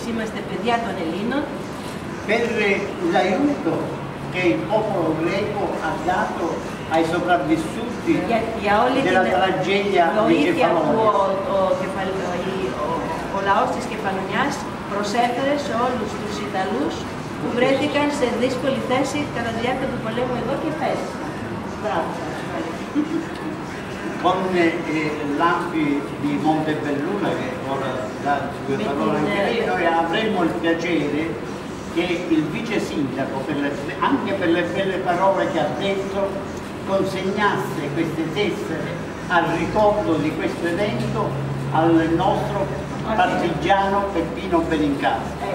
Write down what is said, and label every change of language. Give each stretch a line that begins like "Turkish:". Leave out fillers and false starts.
Italian: Per l'aiuto che il popolo greco ha dato ai sopravvissuti della tragedia di Cefalonia.
Greek: Ο λαός της Κεφαλονιάς προσέφερε σε όλους τους Ιταλούς που βρέθηκαν σε δύσκολη θέση κατά τη διάρκεια του πολέμου εδώ και πέρα. Μπράβο.
Italian: Con l'AMPI di Montebelluna, che ora da due parole anche noi avremo il piacere che il vice sindaco, anche per le belle parole che ha detto, consegnasse queste tessere al ricordo di questo evento al nostro partigiano Peppino Benincasa.